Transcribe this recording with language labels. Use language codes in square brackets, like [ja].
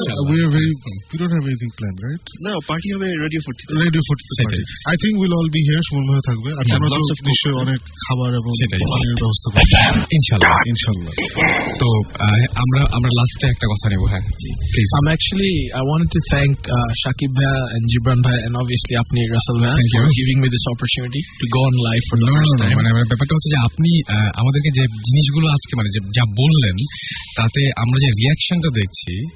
[en] We are very, we don't have anything planned, right? [bn] No, party হবে radio 40 তে। Radio 40 তে সেটাই। [en] I think we'll all be here, [bn] সময় মতো থাকবে, আর আমরা তো নিশ্চয়ই অনেক খাবার এবং পানির ব্যবস্থা করব ইনশাআল্লাহ। ইনশাআল্লাহ। তো আমরা আমরা লাস্টে একটা কথা নিব। হ্যাঁ please. [en] I'm actually I wanted to thank Shakib bhai and Jibran bhai and obviously আপনি রাসেল ভাই for giving me this opportunity to go on live for the first time. [bn] মানে আমরা ব্যাপারটা হচ্ছে যে আপনি আমাদেরকে যে জিনিসগুলো আজকে মানে যা বললেন তাতে আমরা যে রিয়াকশনটা দেখছি